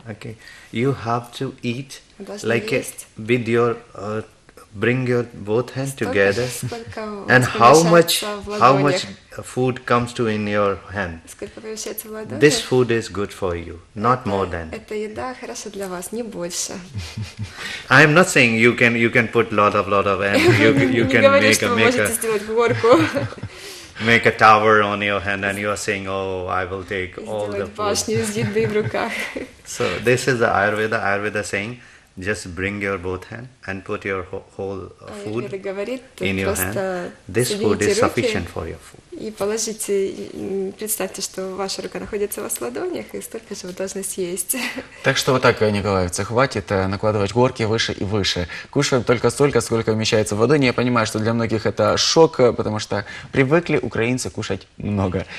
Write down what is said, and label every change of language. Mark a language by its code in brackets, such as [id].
[en] Okay, you have to eat like with your bring your both hands together and how much food comes to in your hand. This food is good for you, not more than. [ru] Эта еда хороша для вас, не больше. [en] I am not saying you can put lot of and you can make a tower on your hand and you are saying, oh, I will take all the food. So this is the Ayurveda saying, just bring your both hand and put your whole food in your hand. This food is sufficient for your food. [ru] И положите, представьте, что ваша рука находится у вас в ладонях, и столько же вы должны съесть. Так что вот так, Николаевцы, хватит накладывать горки выше и выше. Кушаем только столько, сколько вмещается в ладони. Я понимаю, что для многих это шок, потому что привыкли украинцы кушать много.